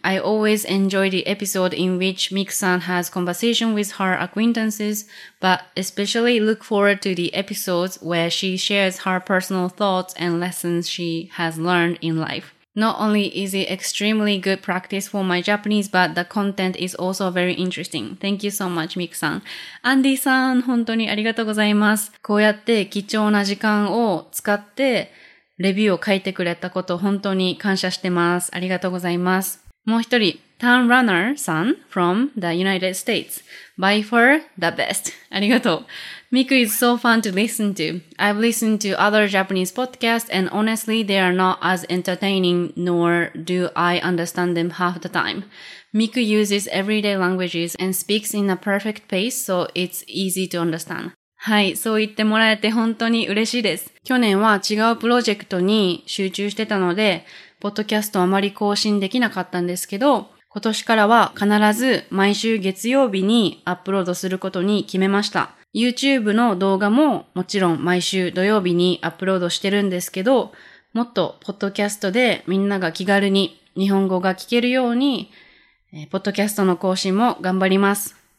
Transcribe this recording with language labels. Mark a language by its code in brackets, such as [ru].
[en] I always enjoy the episode in which Miku-san has conversation with her acquaintances, but especially look forward to the episodes where she shares her personal thoughts and lessons she has learned in life. Not only is it extremely good practice for my Japanese, but the content is also very interesting. Thank you so much, Miku-san. [ja] アンディさん、本当にありがとうございます。こうやって貴重な時間を使ってレビューを書いてくれたこと本当に感謝してます。ありがとうございます。もう一人、タウンランナーさん [en] from the United States. By far the best. [ja] ありがとう。 [en] Miku is so fun to listen to. I've listened to other Japanese podcasts and honestly they are not as entertaining nor do I understand them half the time. Miku uses everyday languages and speaks in a perfect pace so it's easy to understand. [ja] はい、そう言ってもらえて本当に嬉しいです。去年は違うプロジェクトに集中してたので、ポッドキャストあまり更新できなかったんですけど、今年からは必ず毎週月曜日にアップロードすることに決めました。 YouTube の動画ももちろん毎週土曜日にアップロードしてるんですけど、もっとポッドキャストでみんなが気軽に日本語が聞けるように、ポッドキャストの更新も頑張ります。